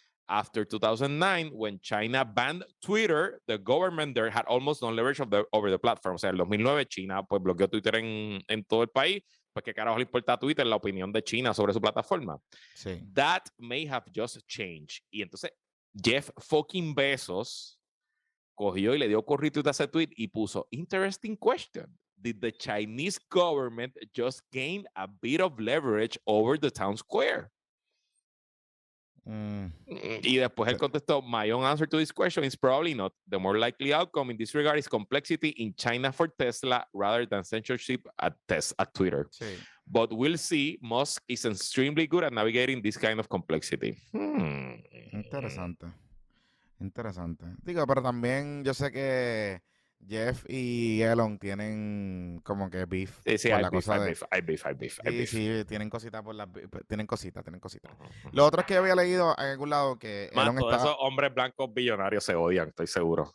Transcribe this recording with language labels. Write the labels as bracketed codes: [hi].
[en] After 2009, when China banned Twitter, the government there had almost no leverage over the platform. [es] O sea, en 2009, China pues bloqueó Twitter en todo el país. Pues, ¿qué carajo le importa a Twitter la opinión de China sobre su plataforma? Sí. [en] That may have just changed. [es] Y entonces, Jeff fucking Bezos cogió y le dio corrido a ese tweet y puso, [en] interesting question. Did the Chinese government just gain a bit of leverage over the town square? [es] Y después él contestó, [en] my own answer to this question is probably not. The more likely outcome in this regard is complexity in China for Tesla rather than censorship at Twitter. [es] Sí. [en] But we'll see. Musk is extremely good at navigating this kind of complexity. [es] Interesante. Interesante. Digo, pero también yo sé que Jeff y Elon tienen como que beef. Sí, I beef. Sí, tienen cositas por las beef. Tienen cositas. Lo otro es que había leído en algún lado que Elon todos estaba... esos hombres blancos billonarios se odian, estoy seguro.